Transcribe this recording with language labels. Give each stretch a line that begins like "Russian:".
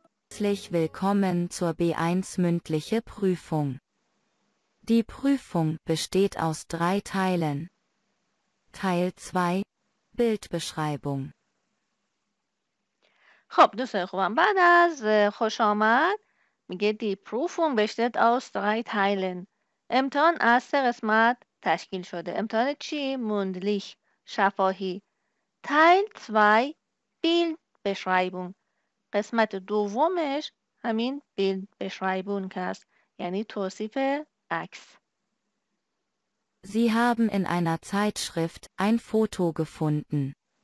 German: Herzlich willkommen zur B1 mündliche Prüfung. Die Prüfung besteht aus drei Teilen. Teil 2 Bildbeschreibung.
Persian: خب دوستان خوبم، بعد از خوش آمد میگه
German: دی پروفون بشتت آس درای تایلن.
Persian: امتحان از سه قسمت تشکیل شده. امتحان چی؟ موندلیش، شفاهی. تایل توی بیل بشرایبون، قسمت دومش همین بیل بشرایبون که هست، یعنی توصیف عکس.
German: Sie haben in einer Zeitschrift ein Foto gefunden.